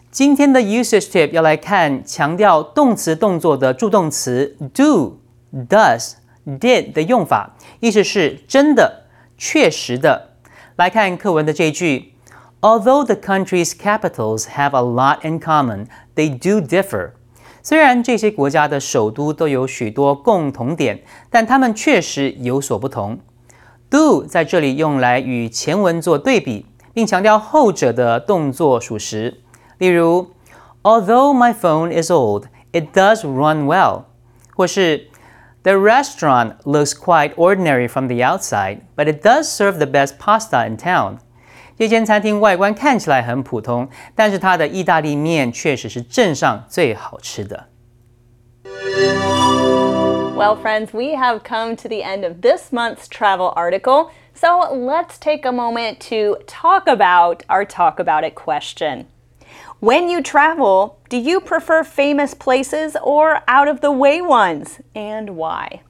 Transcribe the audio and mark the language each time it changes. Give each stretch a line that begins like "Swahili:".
Chinese: 今天的 usage tip 要来看强调动词动作的助动词 do, does, did 的用法，意思是真的、确实的。来看课文的这一句
English: ：Although the country's capitals have a lot in common, they do differ.
Chinese: 虽然这些国家的首都都有许多共同点，但它们确实有所不同。 Do 在这里用来与前文做对比，并强调后者的动作属实。例如
English: ,although my phone is old, it does run well.
Chinese: 或是
English: ,the restaurant looks quite ordinary from the outside, but it does serve the best pasta in town.
Chinese: 这间餐厅外观看起来很普通，但是它的意大利面确实是镇上最好吃的。
English: Well, friends, we have come to the end of this month's travel article, so let's take a moment to talk about our talk about it question. When you travel, do you prefer famous places or out-of-the-way ones, and why?